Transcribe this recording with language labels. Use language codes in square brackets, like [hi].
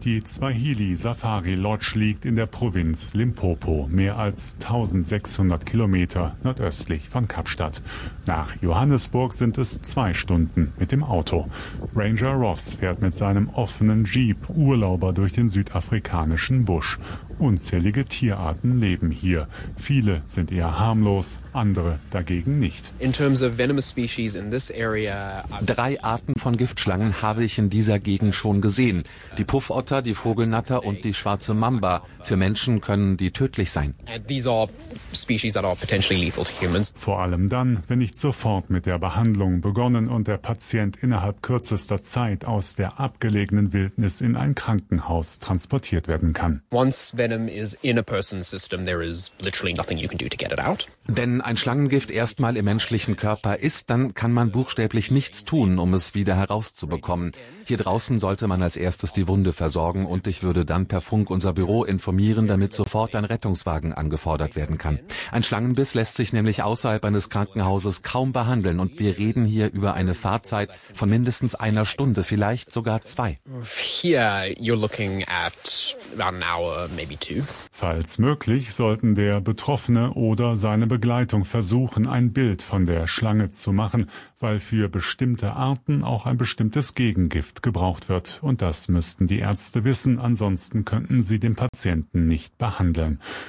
[de] Die Swahili Safari Lodge liegt in der Provinz Limpopo, mehr als 1600 Kilometer nordöstlich von Kapstadt. Nach Johannesburg sind es 2 Stunden mit dem Auto. Ranger Ross fährt mit seinem offenen Jeep Urlauber durch den südafrikanischen Busch. Unzählige Tierarten leben hier. Viele sind eher harmlos, andere dagegen nicht. [en] In terms of venomous species in this area, [de] drei Arten von Giftschlangen habe ich in dieser Gegend schon gesehen. Die Puffotter, die Vogelnatter und die schwarze Mamba. Für Menschen können die tödlich sein. [en] These are species that are potentially lethal to humans. [de] Vor allem dann, wenn nicht sofort mit der Behandlung begonnen und der Patient innerhalb kürzester Zeit aus der abgelegenen Wildnis in ein Krankenhaus transportiert werden kann. [en] Once venom is in a person's system, there is literally nothing you can do to get it out. [de] Denn ein Schlangengift erstmal im menschlichen Körper ist, dann kann man buchstäblich nichts tun, um es wieder herauszubekommen. Hier draußen sollte man als erstes die Wunde versorgen und ich würde dann per Funk unser Büro informieren, damit sofort ein Rettungswagen angefordert werden kann. Ein Schlangenbiss lässt sich nämlich außerhalb eines Krankenhauses kaum behandeln und wir reden hier über eine Fahrzeit von mindestens einer Stunde, vielleicht sogar zwei. [en] Here you're looking at about an hour, maybe two. [de] Falls möglich, sollten der Betroffene oder seine Begleitung versuchen, ein Bild von der Schlange zu machen, weil für bestimmte Arten auch ein bestimmtes Gegengift gebraucht wird. Und das müssten die Ärzte wissen, ansonsten könnten sie den Patienten nicht behandeln.